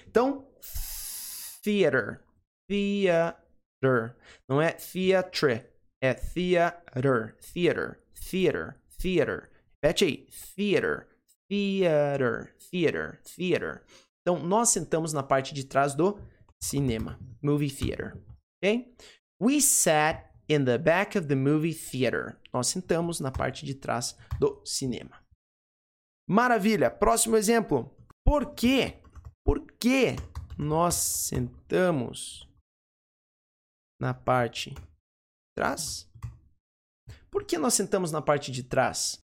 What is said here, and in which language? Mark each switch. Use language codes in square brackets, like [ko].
[pt] Então, theater, theater, não é theatre, é theater, theater, theater. [en] Theater. [pt] Repete aí. [en] Theater. Theater. Theater. Theater. [pt] Então, nós sentamos na parte de trás do cinema. [en] Movie theater. Ok? We sat in the back of the movie theater. [pt] Nós sentamos na parte de trás do cinema. Maravilha! Próximo exemplo. Por quê? Por que nós sentamos na parte de trás? Por que nós sentamos na parte de trás?